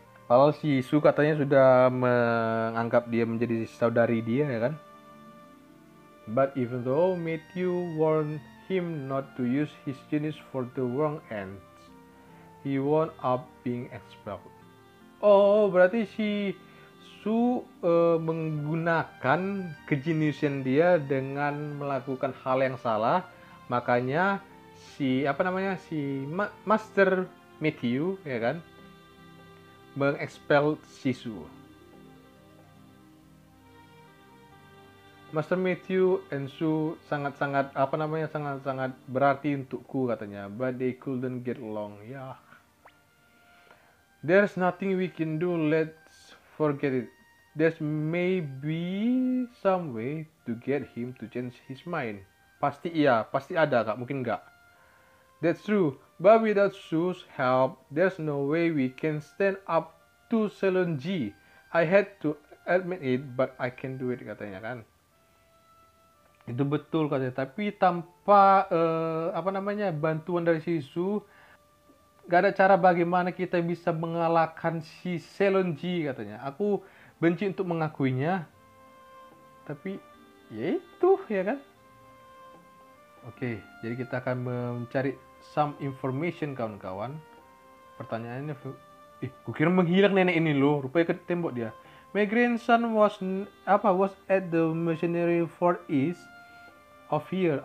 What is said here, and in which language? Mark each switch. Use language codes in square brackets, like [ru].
[id] Kalau si Su katanya sudah menganggap dia menjadi saudari dia, ya kan? [en] But even though Matthew warned him not to use his genius for the wrong ends, he wound up being expelled. [id] Oh, berarti si Su menggunakan kejeniusan dia dengan melakukan hal yang salah, makanya si apa namanya si Master Matthew, ya kan, mengexpel si Su. Master Matthew and Su sangat-sangat apa namanya sangat-sangat berarti untukku katanya, [en] but they couldn't get along. [id] Ya. Yeah. [en] There's nothing we can do, let's forget it. There's maybe some way to get him to change his mind. [id] Pasti iya, pasti ada, gak mungkin gak. [en] That's true, but without Su's help, there's no way we can stand up to Salon G. I had to admit it, but I can do it, [id] katanya kan. Itu betul katanya, tapi tanpa bantuan dari si Su, gak ada cara bagaimana kita bisa mengalahkan si Salon G, katanya. Aku benci untuk mengakuinya, tapi ya itu, ya kan? Oke, jadi kita akan mencari [en] some information, [id] kawan-kawan. Pertanyaannya, kukira menghilang nenek ini loh, rupanya ke tembok dia. [en] My grandson was at the missionary fort east of here.